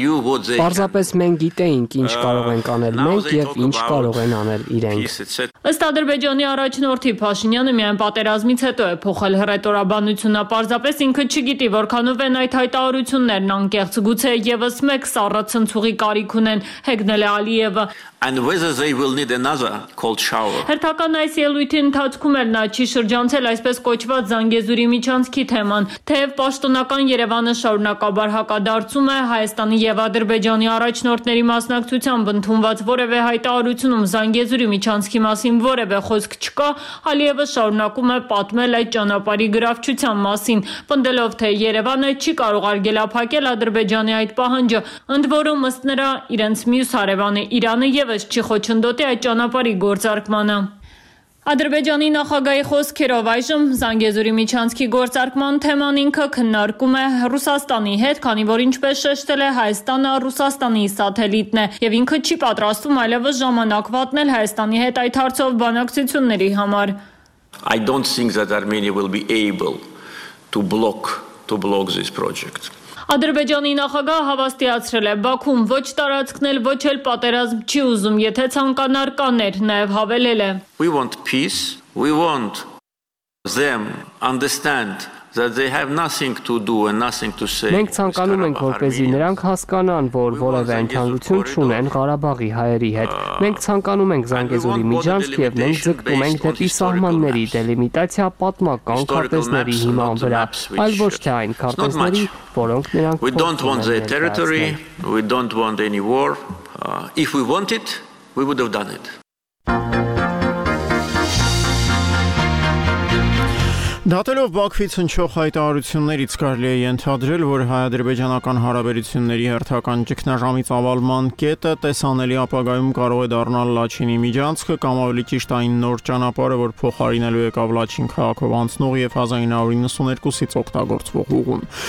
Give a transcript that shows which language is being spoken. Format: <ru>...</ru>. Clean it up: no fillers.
<hy>Պարզապես մենք գիտենք ինչ կարող ենք անել մենք եւ ինչ կարող են անել իրենք։ Ըստ Ադրբեջանի առաջնորդի Փաշինյանը միայն պատերազմից հետո է փոխել հռետորաբանությունը, պարզապես ինքը չգիտի որքանով են այդ հայտարարություններն անկեղծ, գուցե եւս մեկ սառը ցնցուղի կարիք ունեն, հեգնել է Ալիևը։</hy> <en>And whether they will need another cold shower.</en> <hy>Հերթական այս ելույթի ընթացքում էլ նա չի շրջանցել այսպես կոչված Զանգեզուրի միջանցքի թեման, թեև պաշտոնական Երևանը շարունակաբար հակադարձում է Հայաստանի եւ Ադրբեջանի առաջնորդների մասնակցությամբ ընդունված որևէ հայտարարությունում Զանգեզուրի միջանցքի մասին որևէ խոսք չկա, Ալիևը շարունակում է պատմել այդ ճանապարհի գրավչության մասին, պնդելով, թե Երևանը չի կարող արգելափակել Ադրբեջանի այդ պահանջը, ընդ որում ըստ նրա իրենց մյուս հարևանը Իրանը եւս չի խոչընդոտի այդ ճանապարհի գործարկմանը։ Ադրբեջանի նախագահի խոսքերով այժմ Զանգեզուրի միջանցքի գործարկման թեման ինքը քննարկում է Ռուսաստանի հետ, քանի որ ինչպես շեշտել է, Հայաստանը Ռուսաստանի սաթելիտն է եւ ինքը չի պատրաստվում այլևս ժամանակ վատնել Հայաստանի հետ այդ հարցով բանակցությունների համար։</hy> <en>I don't think that Armenia will be able to block this project.</en> <hy>Ադրբեջանի նախագահը հավաստիացրել է Բաքուն ոչ տարածքնել, ոչ էլ պատերազմ չի ուզում, եթե ցանկանար կաներ, նաև հավելել է.</hy> <en>We want peace. We want them understand that they have nothing to do and nothing to say.</en> <hy>Մենք ցանկանում ենք, որպեսզի նրանք հասկանան, որ որևէ ընդհանրություն չունեն Ղարաբաղի հայերի հետ։ Մենք ցանկանում ենք Զանգեզուրի միջանցք եւ մենք ձգտում ենք դեպի սահմանների դելիմիտացիա պատմական քարտեզների հիման վրա, այլ ոչ թե այն քարտեզների, որոնք նրանք</hy> <en>We don't want their territory, we don't want any war. If we wanted, we would have done it.</en> <hy>Դատելով Բաքվից հնչող հայտարարություններից կարելի է ենթադրել, որ հայ-ադրբեջանական հարաբերությունների հերթական ճգնաժամի ծավալման կետը տեսանելի ապագայում կարող է դառնալ Լաչինի միջանցքը կամ ավելի ճիշտ այն նոր ճանապարհը, որ փոխարինելու եկավ Լաչին քաղաքով անցնող եւ 1992-ից օգտագործվող ուղին։</hy>